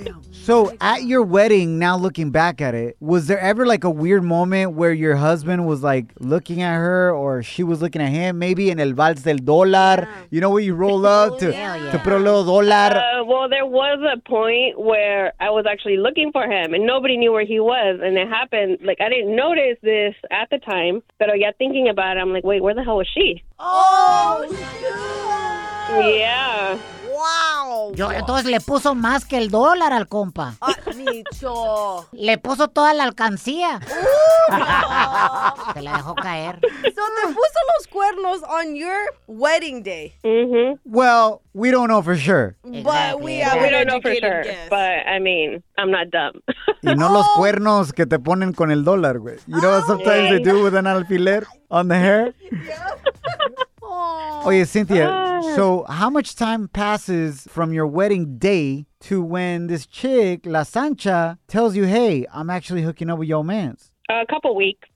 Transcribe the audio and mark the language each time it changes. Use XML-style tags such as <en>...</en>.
<en>So at your wedding, now looking back at it, was there ever like a weird moment where your husband was like looking at her or she was looking at him, maybe in El Vals del Dólar, you know, where you roll up to put a little dólar? Well, there was a point where I was actually looking for him and nobody knew where he was. And it happened, like, I didn't notice this at the time, but yeah, thinking about it, I'm like, wait, where the hell was she? Oh, yeah. Yeah. Wow.</en> <es>Yo, entonces le puso más que el dólar al compa. Micho. Le puso toda la alcancía. Se la dejó caer.</es> <en>So</en> <es>te puso los cuernos</es> <en>on your wedding day. Well, we don't know for sure. Exactly. But we don't know for sure. Guess. But I mean, I'm not dumb.</en> <es>Y no los cuernos que te ponen con el dólar, güey.</es> <en>You know what sometimes they do with an alfiler on the hair? Oye, Cynthia, so how much time passes from your wedding day to when this chick, La Sancha, tells you, hey, I'm actually hooking up with your mans? A couple weeks.</en>